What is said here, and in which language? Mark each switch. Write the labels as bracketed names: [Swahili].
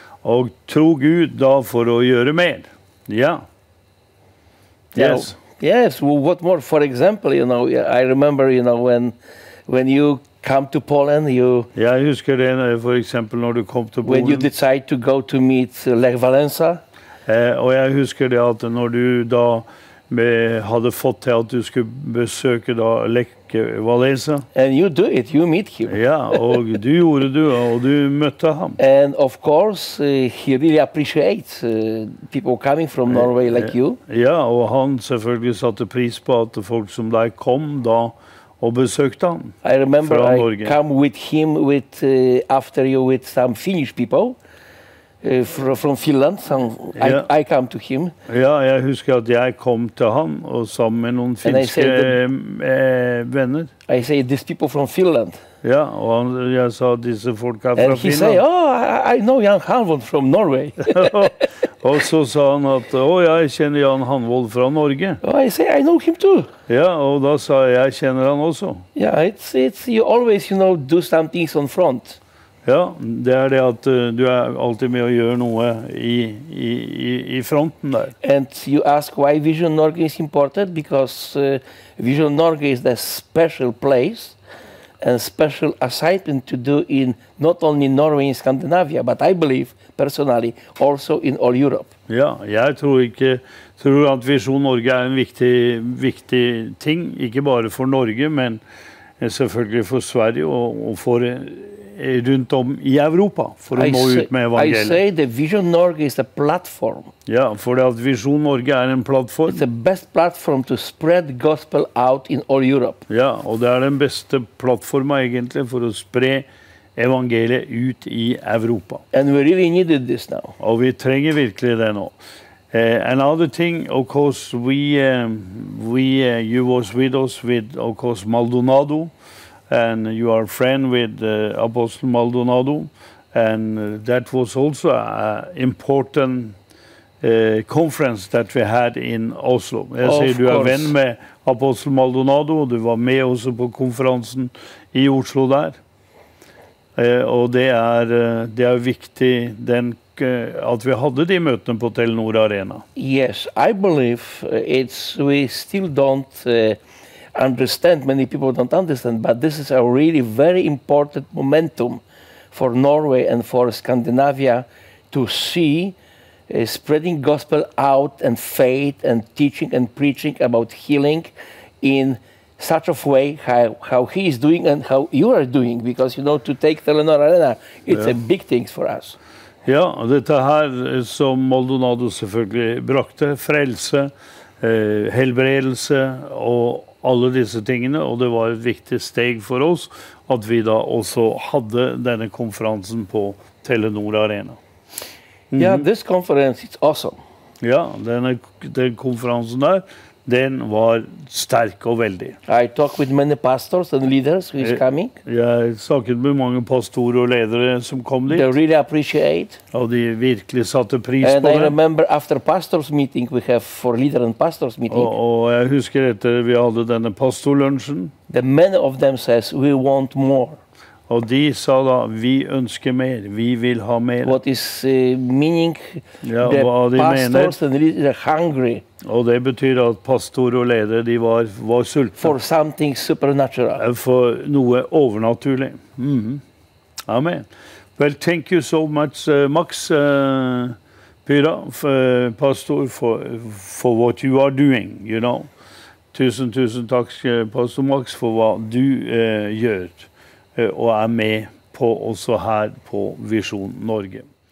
[Norwegian] Og tro Gud da for å gjøre mer. Ja. Yes. [English] Yes. Well, what more? For example, you know, I remember, you know, when you come to Poland, you. [Norwegian] Yeah, I husker det, [English] for example, [Norwegian] når du kom til Polen. [English] When you decide to go to meet Lech Walesa. [Norwegian] Og jeg husker det at når du da hadde fått til at du skulle besøke da Lech Walesa. [English] And you do it. You meet him. [Norwegian] Yeah, og du gjorde du og du møtte ham. [English] And of course, he really appreciates people coming from Norway like you. [Norwegian] Yeah, og han selvfølgelig satte pris på at folk som deg kom da. Og besøkte han fra Norge. [English] I remember I come with him with after you with some Finnish people from Finland. Some, yeah. I come to him. [Norwegian] Ja, jeg husker at jeg kom til han og sammen med noen finske venner. [English] I say these people from Finland. [Norwegian] Ja, og han, jeg sa disse folk fra Finland. [English] And he say, oh, I know Jan Hanvold from Norway. [Norwegian] Og så sa han at, oh, jeg kjenner Jan Hanvold fra Norge. [English] Oh, I say, I know him too. [Norwegian] Ja, og da sa jeg, jeg kjenner han også. [English] Ja, yeah, it's you always, you know, do some things on front. [Norwegian] Ja, det det at du alltid med å gjøre noe i fronten der. [English] And you ask why Vision Norge is important, because Vision Norge is the special place. And special assignment to do in not only Norway and Scandinavia, but I believe personally also in all Europe. [Norwegian] Ja, jeg tror at Vision Norge en viktig ting, ikke bare for Norge, men selvfølgelig for Sverige og for rundt om i Europa for å nå ut med evangeliet. [English] I say the Vision Norge is a platform. [Norwegian] Ja, for at Vision Norge en plattform. [English] It's the best platform to spread gospel out in all Europe. [Norwegian] Ja, og det den beste plattformen egentlig for å spre evangeliet ut i Europa. [English] And we really needed this now. [Norwegian] Og vi trenger virkelig det nå. [English] Another thing, of course, you was with us with, of course, Maldonado. And you are friend with Apostle Maldonado, and that was also an important conference that we had in Oslo. [Norwegian] Jeg sier du venn med Apostle Maldonado, og du var med også på konferansen i Oslo der. Og det er viktig at vi hadde de møtene på Telenor Arena. [English] Yes, I believe we still don't understand, many people don't understand, but this is a really very important momentum for Norway and for Scandinavia to see spreading gospel out and faith and teaching and preaching about healing in such a way how he is doing and how you are doing, because you know, to take Telenor Arena, it's a big thing for us. [Norwegian] Ja, dette her som Maldonado selvfølgelig brakte, frelse, helbredelse og alle disse tingene, og det var et viktig steg for oss at vi da også hadde denne konferansen på Telenor Arena. [English] Ja, this conference is awesome. [Norwegian] Ja, den konferansen der, den var sterk og veldig. [English] I talk with many pastors and leaders who is coming. [Norwegian] Jeg snakket med mange pastorer og ledere som kom dit. [English] They really appreciate. [Norwegian] Og de virkelig satte pris [English] and [Norwegian] på [English] I [Norwegian] det. [English] And I remember after pastors meeting we have for leader and pastors meeting. [Norwegian] Og jeg husker etter vi hadde denne pastorlunchen. [English] The many of them says we want more. [Norwegian] Og de sa da, vi ønsker mer, vi vil ha mer. [English] What is meaning? [Norwegian] Ja, the hva de [English] pastors [Norwegian] mener. [English] And leaders are hungry. [Norwegian] Og det betyr at pastor og leder, de var sultne. [English] For something supernatural. [Norwegian] For noe overnaturlig. Amen. [English] Well, thank you so much, Max Pyra, pastor, for what you are doing, you know. [Norwegian] Tusen takk, pastor Max, for hva du gjør. Og er med på også her på Vision Norge.